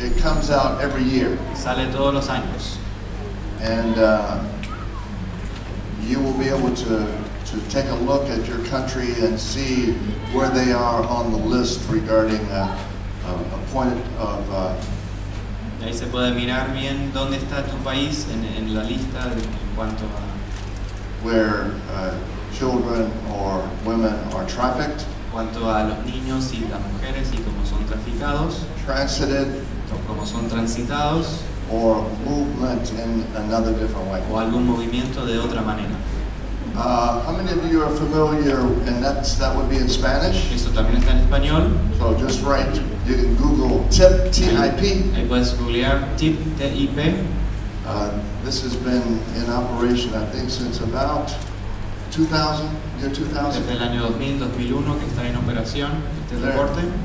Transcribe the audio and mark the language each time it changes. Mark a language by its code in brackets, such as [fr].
[en] It comes out every year. [es] Sale todos los años. [en] And you will be able to take a look at your country and see where they are on the list regarding a point of. [es] Ahí se puede mirar bien dónde está tu país en la lista en cuanto a. [en] Where children or women are trafficked. [es] Cuanto a los niños y las mujeres y cómo son traficados. [en] Transited. [es] Cómo son transitados. [en] Or movement in another different way. [es] O algún movimiento de otra manera. [en] How many of you are familiar, and that would be in Spanish? [es] Esto también está en español. [en] So just write, you can Google TIP, T-I-P. [es] Ahí puedes googlear TIP, T-I-P. [en] This has been in operation, I think, since about 2000, year 2000. [es] Desde el año 2000, 2001, que está en operación, este reporte.